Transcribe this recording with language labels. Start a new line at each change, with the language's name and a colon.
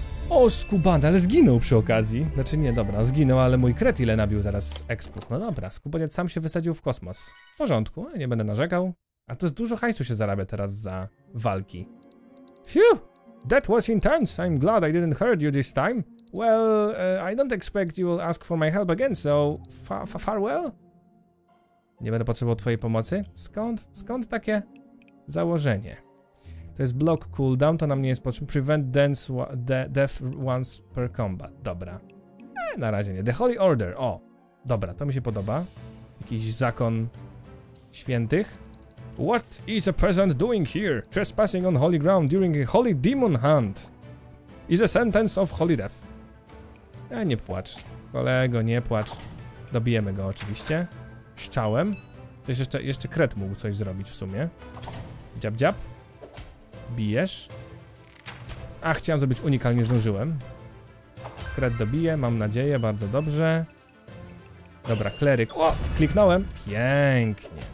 Polish: O, skubany, ale zginął przy okazji. Znaczy nie, dobra, zginął, ale mój kret ile nabił zaraz z ekspów. No dobra, skubaniec sam się wysadził w kosmos. W porządku, nie będę narzekał. A to jest dużo hajsu się zarabia teraz za walki. Phew!
English: That was intense, I'm glad I didn't hurt you this time. Well, I don't expect you will ask for my help again, so farewell?
Polish: Nie będę potrzebował twojej pomocy. Skąd takie założenie? To jest block cooldown, to nam nie jest potrzebne. Prevent death once per combat. Dobra. Na razie nie. The Holy Order. O, dobra, to mi się podoba. Jakiś zakon świętych.
English: What is a peasant doing here? Trespassing on holy ground during a holy demon hunt is a sentence of holy death.
Polish: Nie płacz. Kolego, nie płacz. Dobijemy go oczywiście. Szczałem. Coś jeszcze kret mógł coś zrobić w sumie. Dziab, dziab. Bijesz. A, chciałem zrobić unik, ale nie zdążyłem. Kret dobije, mam nadzieję, bardzo dobrze. Dobra, kleryk. O, kliknąłem. Pięknie.